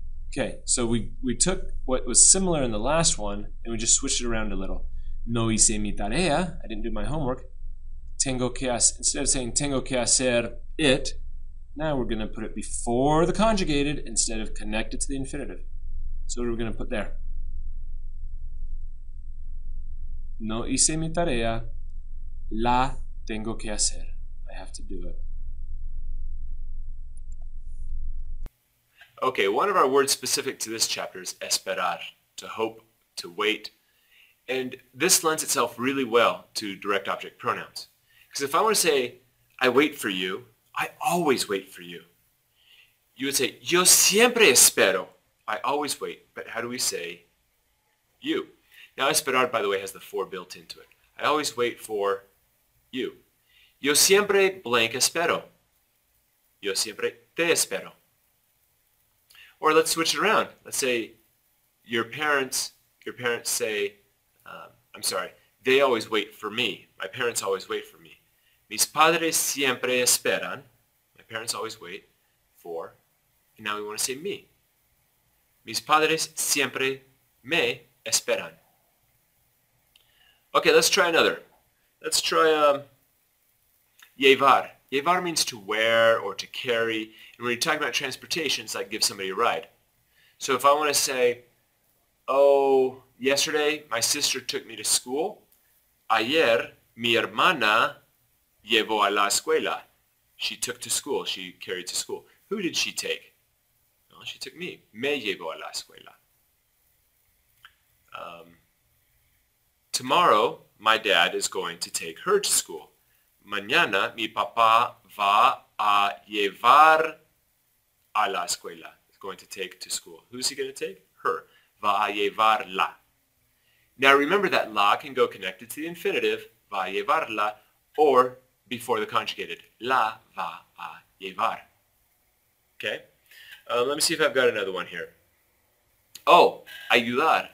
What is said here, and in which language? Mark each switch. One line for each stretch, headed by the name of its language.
English: Okay, so we took what was similar in the last one and we just switched it around a little.
Spanish: No hice mi tarea,
English: I didn't do my homework. Instead of saying
Spanish: tengo que hacer
English: it, now we're going to put it before the conjugated instead of connected to the infinitive. So what are we going to put there?
Spanish: No hice mi tarea, la tengo que hacer.
English: I have to do it. Okay, one of our words specific to this chapter is esperar, to hope, to wait. And this lends itself really well to direct object pronouns. Because if I want to say, I wait for you, I always wait for you. You would say,
Spanish: yo siempre espero.
English: I always wait. But how do we say you? Now, esperar, by the way, has the for built into it. I always wait for you.
Spanish: Yo siempre blank espero. Yo siempre te espero.
English: Or let's switch it around. Let's say your parents say, I'm sorry, they always wait for me. My parents always wait for me.
Spanish: Mis padres siempre esperan.
English: My parents always wait for, and now we want to say me.
Spanish: Mis padres siempre me esperan.
English: Okay, let's try another. Let's try llevar. Llevar means to wear or to carry. And when you're talking about transportation, it's like give somebody a ride. So if I want to say, oh, yesterday my sister took me to school.
Spanish: Ayer mi hermana llevó a la escuela.
English: She took to school. She carried to school. Who did she take? Well, she took me.
Spanish: Me llevó a la escuela.
English: Tomorrow, my dad is going to take her to school.
Spanish: Mañana, mi papá va a llevar a la escuela.
English: He's going to take to school. Who's he going to take? Her.
Spanish: Va a llevar la.
English: Now, remember that la can go connected to the infinitive,
Spanish: va a llevarla,
English: or before the conjugated.
Spanish: La va a llevar. Okay?
English: Let me see if I've got another one here. Oh, ayudar.